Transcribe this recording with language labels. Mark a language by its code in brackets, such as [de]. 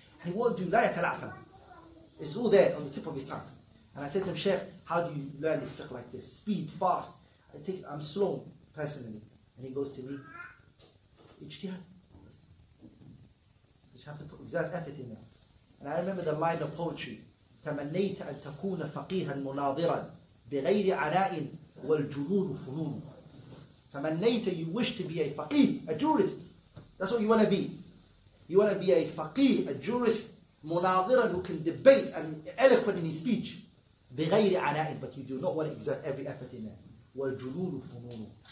[en] And he won't do la yatala'atham. It's all there on the tip of his tongue. And I said to him, Shaykh, how do you learn this fiqh like this? Speed, fast. I'm slow, personally. And he goes to me, ijtihad. You just have to put exact effort in there. And I remember the line of poetry. [ar] تمنيت أن تكون فقيها مناظرا بغير عناء والجنون فنون. تمنيت, [en] you wish to be a faqih, a jurist. That's what you want to be. You want to be a faqih, a jurist, [ar] مناظرا, [en] who can debate and eloquent in his speech. [ar] بغير عناء, [en] but you do not want to exert every effort in that. [ar] والجنون فنون.